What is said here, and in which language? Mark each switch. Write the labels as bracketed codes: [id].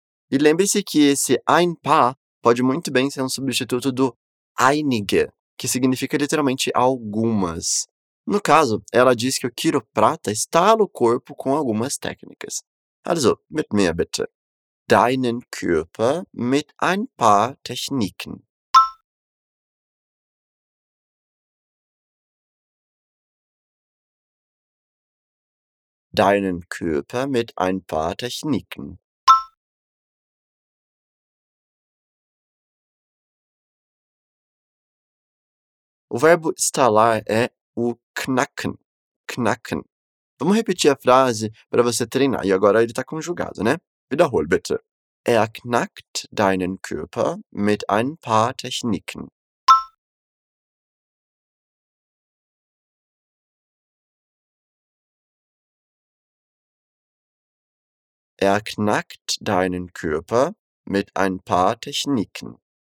[pt] E lembre-se que esse ein paar pode muito bem ser um substituto do einige, que significa literalmente algumas. No caso, ela diz que o quiroprata estala o corpo com algumas técnicas. [de] Also, mit mir bitte. Deinen Körper mit ein paar Techniken. Deinen Körper mit ein paar Techniken. [pt] O verbo estalar é o knacken. Knacken. Vamos repetir a frase para você treinar. E agora ele está conjugado, né? [de] Wiederhol, bitte. Knackt deinen Körper mit ein paar Techniken. Er knackt deinen Körper mit ein paar Techniken.